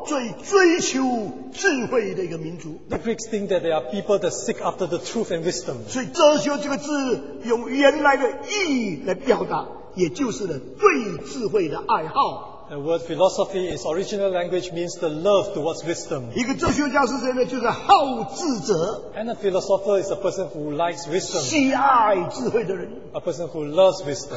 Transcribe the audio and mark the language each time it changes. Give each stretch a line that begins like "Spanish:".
English: The Greeks think that there are people that seek after the truth and wisdom.
Chinese: 所以哲学这个字用原来的意义来表达，也就是呢对智慧的爱好。
English: The word philosophy in its original language means the love towards wisdom.
Chinese: 一个哲学家是谁呢？就是好智者。
English: And a philosopher is a person who likes wisdom.
Chinese: 喜爱智慧的人。
English: A person who loves wisdom.